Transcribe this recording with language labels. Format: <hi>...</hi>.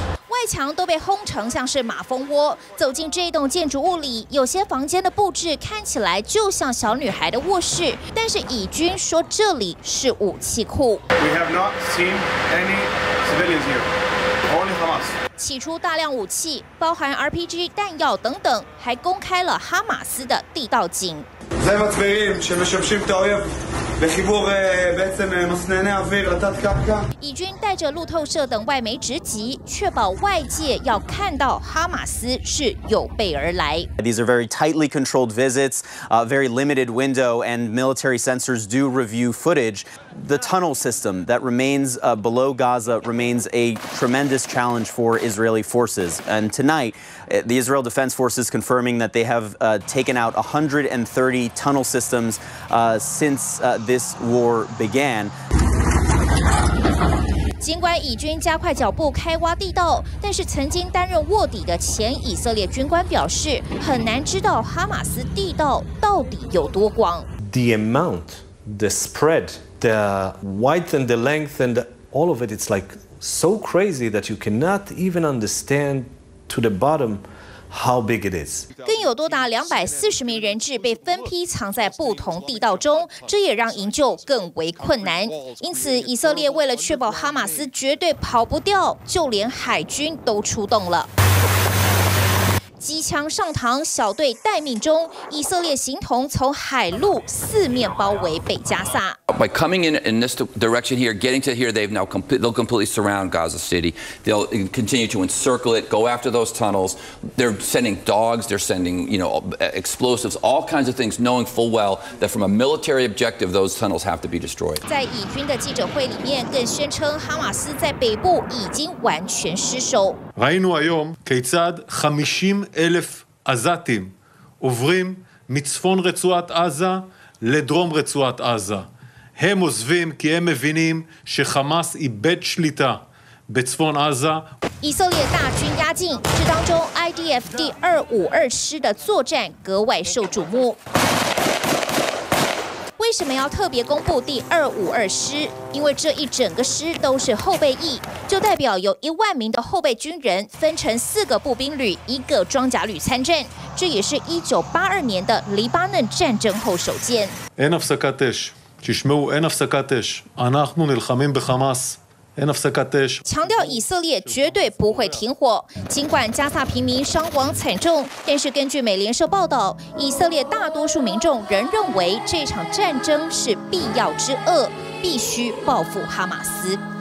<zh>外墙都被轰成像是马蜂窝，走进这栋建筑物里，有些房间的布置看起来就像小女孩的卧室，但是以军说这里是武器库。</zh> <en>We have not seen any civilians here.</en> <zh>起出大量武器，包含 RPG 弹药等等，还公开了哈马斯的地道井。</zh> <he>זה מצברים שמשמשים את האויב לחיבור בעצם מסנני אוויר לתת קרקע.</he> <zh>以军带着路透社等外媒直击，确保外界要看到哈马斯是有备而来。</zh> <en>These are very tightly controlled visits, very limited window, and military sensors do review footage. The tunnel system that remains below Gaza remains a tremendous challenge for Israeli forces. And tonight, the Israel Defense Forces confirming that they have taken out 130 tunnel systems since this war began.</en> <zh>尽管以军加快脚步开挖地道，但是曾经担任卧底的前以色列军官表示，很难知道哈马斯地道到底有多广。</zh> <en>The amount, the spread. The width and the length and all of it, it's like so crazy that you cannot even understand to the bottom how big it is.</en> <zh>更有多达240名人质被分批藏在不同地道中，这也让营救更为困难。因此，以色列为了确保哈马斯绝对跑不掉，就连海军都出动了。机枪上膛，小队待命中，以色列形同从海陆四面包围北加萨。 By coming in this direction here, getting to here, they've now completely surround Gaza City. They'll continue to encircle it, go after those tunnels. They're sending dogs, they're sending, you know, explosives, all kinds of things, knowing full well that from a military objective, those tunnels have to be destroyed. 在以军的记者会里面，更宣称哈马斯在北部已经完全失守。</zh> <he>ראינו היום כיצד 50,000 עזתים עוברים מצפון רצועת עזה לדרום רצועת עזה. הם עוזבים כי הם מבינים שחמאס איבד שליטה בצפון עזה.</he> <zh>以色列大军压境，这当中 IDF 第252师的作战格外受瞩目。为什么要特别公布第二五二师？因为这一整个师都是后备役，就代表有10,000名的后备军人分成4个步兵旅、1个装甲旅参战。这也是1982年的黎巴嫩战争后首见。</zh> <he>אין הפסקת אש, תשמעו, אין הפסקת אש. אנחנו נלחמים בחמאס.</he> <zh>强调以色列绝对不会停火，尽管加萨平民伤亡惨重，但是根据美联社报道，以色列大多数民众仍认为这场战争是必要之恶，必须报复哈马斯。</zh>